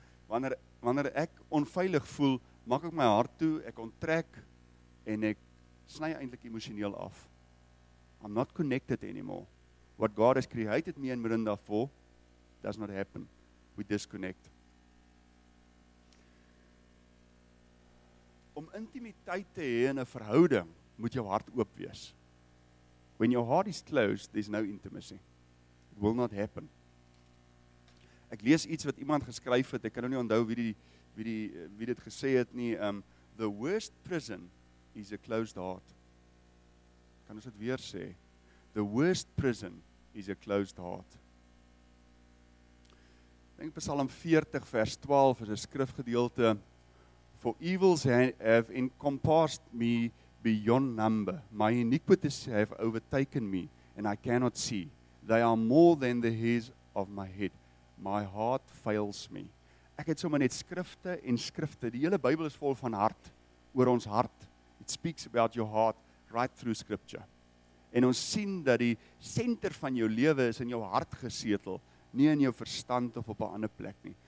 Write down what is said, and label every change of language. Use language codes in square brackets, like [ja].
[af] Wanneer ek onveilig voel, maak ek my hart toe, ek onttrek en ek sny eintlik emosioneel af. [en] I'm not connected anymore. What God has created me in Mirinda for does not happen. We disconnect. [af] Om intimiteit te hê in 'n verhouding, moet jou hart oop wees. [en] When your heart is closed, there's no intimacy. It will not happen. [af] Ek lees iets wat iemand geskryf het, ek kan nou nie onthou wie dit gesê het nie. [en] The worst prison is a closed heart. [af] Kan ons dit weer sê? [en] The worst prison is a closed heart. [af] Denk Psalm 40 vers 12 is 'n skrifgedeelte. [en] For evils have encompassed me beyond number. My iniquities have overtaken me and I cannot see. They are more than the hairs of my head. My heart fails me. [af] Ek het sommer net skrifte en skrifte. Die hele Bybel is vol van hart, oor ons hart. [en] It speaks about your heart right through scripture. [af] En ons sien dat die senter van jou lewe is in jou hart gesetel, nie in jou verstand of op 'n ander plek nie.